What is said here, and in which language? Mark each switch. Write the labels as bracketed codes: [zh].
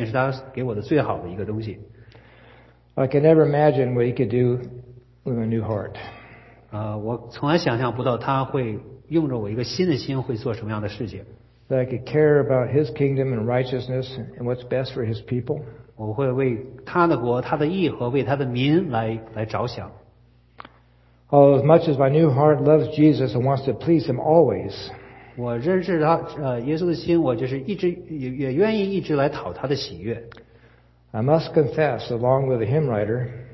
[zh] 我知道像有首诗歌说的，提到说我心里边的有这种改变是他给我的最好的一个东西。 [en] I can never imagine what he could do with a new heart. [zh] 我从来想象不到他会用着我一个新的心会做什么样的事情。 [en] That I could care about his kingdom and righteousness and what's best for his people. [zh] 我会为他的国、他的义和为他的民来着想。 [en] Oh, as much as my new heart loves Jesus and wants to please him always. [zh] 我认识他，耶稣的心，我就是一直也愿意一直来讨他的喜悦。 [en] I must confess, along with the hymn writer,